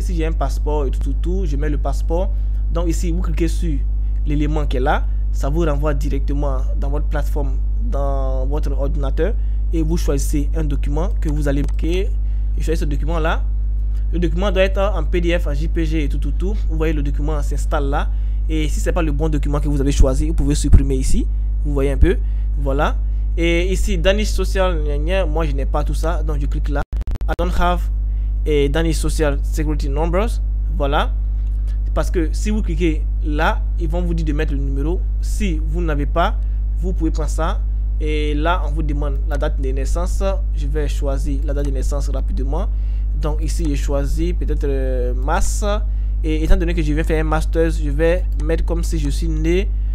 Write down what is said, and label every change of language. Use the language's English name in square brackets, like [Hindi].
[French] Si j'ai un passeport et tout, tout, tout, je mets le passeport. Donc ici, vous cliquez sur l'élément qui est là, ça vous renvoie directement dans votre plateforme, dans votre ordinateur, et vous choisissez un document que vous allez marquer. Je choisis ce document-là. Le document doit être en PDF, en JPG et tout, tout, tout. Vous voyez, le document s'installe là. Et si ce n'est pas le bon document que vous avez choisi, vous pouvez supprimer ici. Vous voyez un peu. Voilà. Et ici, Danish Social, moi je n'ai pas tout ça, donc je clique là. [English] I don't have a Danish Social Security Numbers. [French] Voilà. Parce que si vous cliquez là, ils vont vous dire de mettre le numéro. Si vous n'avez pas, vous pouvez prendre ça. Et là, on vous demande la date de naissance. Je vais choisir la date de naissance rapidement. Donc ici, j'ai choisi peut-être mars. Et étant donné que je vais faire un master, je vais mettre comme si je suis né.